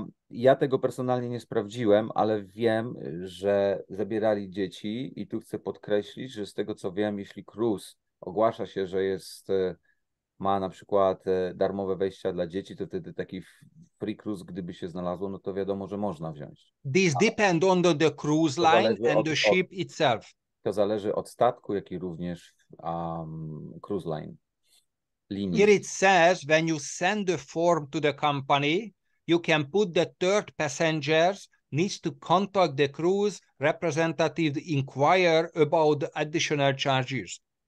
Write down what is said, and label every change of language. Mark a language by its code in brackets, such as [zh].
[pl] Ja tego personalnie nie sprawdziłem, ale wiem, że zabierali dzieci i tu chcę podkreślić, że z tego co wiem, jeśli cruise ogłasza się, że jest, ma na przykład darmowe wejścia dla dzieci, to wtedy taki free cruise, gdyby się znalazło, no to wiadomo, że można wziąć. [en] This depend on the cruise line and the ship itself. [pl] To zależy od statku, jak i również cruise line, linii. [en] Here it says, when you send the form to the company, you can put the third passengers needs to contact the cruise representative to inquire about the additional charges.